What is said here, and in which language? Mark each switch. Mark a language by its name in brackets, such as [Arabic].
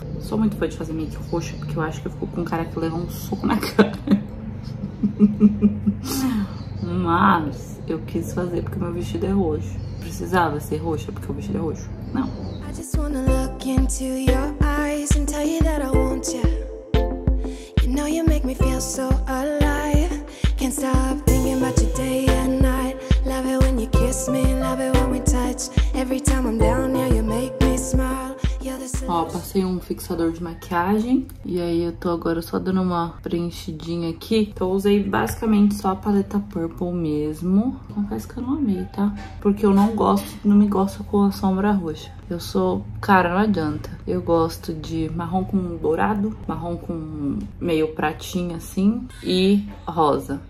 [Portuguese] Sou muito fã de fazer make roxa, porque eu acho que eu fico com um cara que leva um soco na cara. Mas eu quis fazer porque meu vestido é roxo. Precisava ser roxa porque o vestido é roxo. Não. [English] I just wanna look into your eyes and tell you that I want you. You know you make me feel so alive. Can't stop thinking about you day and night. Love it when you kiss me, love it when we touch. Every time I'm down here, you make me smile. [Portuguese] Ó, passei um fixador de maquiagem. E aí eu tô agora só dando uma preenchidinha aqui. Então eu usei basicamente só a paleta purple mesmo. Confesso que eu não amei, tá? Porque eu não me gosto com a sombra roxa. Eu sou... Cara, não adianta. Eu gosto de marrom com dourado, marrom com meio pratinho assim e rosa.